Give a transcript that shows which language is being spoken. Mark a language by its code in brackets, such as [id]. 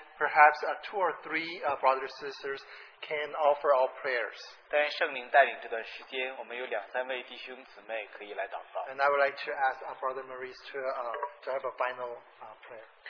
[en] Perhaps two or three brothers and sisters can offer our prayers. [zh] 但圣灵带领这段时间, 我们有两三位弟兄姊妹可以来祷告。 [en] And I would like to ask Brother Maurice to have a final prayer.